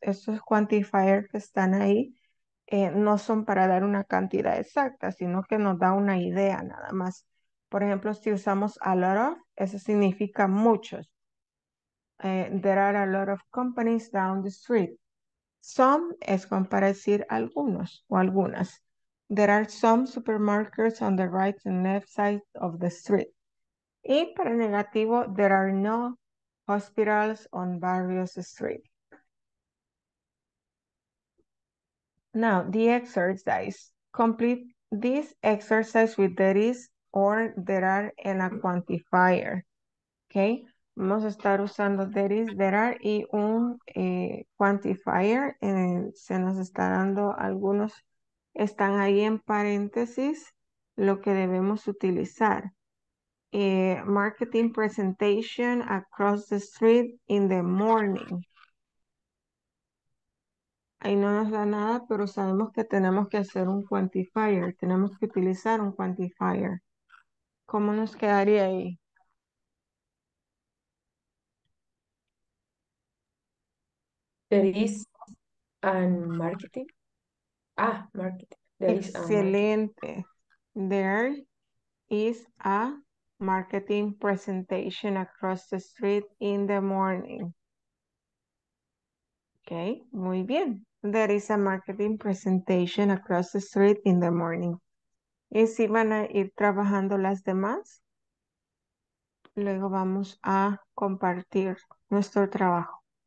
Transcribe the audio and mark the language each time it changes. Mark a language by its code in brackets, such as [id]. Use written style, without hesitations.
[es] Esos quantifiers que están ahí no son para dar una cantidad exacta, sino que nos da una idea nada más. Por ejemplo, si usamos a lot of, eso significa muchos. [en] There are a lot of companies down the street. [es] Some es como para decir algunos o algunas. [en] There are some supermarkets on the right and left side of the street. [es] Y para negativo, [en] there are no hospitals on various streets. Now, the exercise. Complete this exercise with there is or there are and a quantifier. [es] Okay? Vamos a estar usando [en] there is, there are [es] y un quantifier. Se nos está dando algunos. Están ahí en paréntesis lo que debemos utilizar. [en] Marketing presentation across the street in the morning. [es] Ahí no nos da nada, pero sabemos que tenemos que hacer un quantifier. Tenemos que utilizar un quantifier. ¿Cómo nos quedaría ahí? [en] There is a marketing. Ah, marketing. There [es] Excelente. [en] Is there is a marketing presentation across the street in the morning. [es] Okay, muy bien. [en] There is a marketing presentation across the street in the morning. [es] ¿Y si van a ir trabajando las demás? Luego vamos a compartir nuestro trabajo.